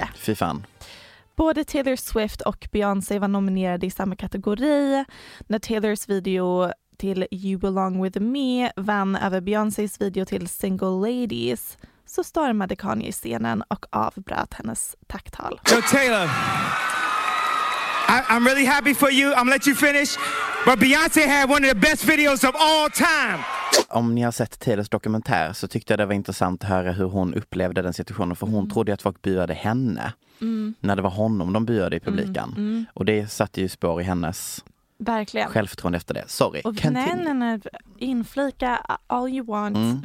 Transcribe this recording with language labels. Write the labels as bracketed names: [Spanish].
[Swedish] Fy fan. Både Taylor Swift och Beyoncé var nominerade i samma kategori. När Taylors video till You Belong With Me vann över Beyoncés video till Single Ladies så stormade Kanye scenen och avbröt hennes tacktal. [English] Yo, Taylor, I'm really happy for you. I'm let you finish. But Beyoncé had one of the best videos of all time. [Swedish] Om ni har sett Taylors dokumentär så tyckte jag det var intressant att höra hur hon upplevde den situationen. För hon trodde att folk buade henne när det var honom de buade i publiken. Och det satte ju spår i hennes... Verkligen. Självförtroende efter det. [English] Sorry. [Swedish] Och nej. Inflika [English] all you want.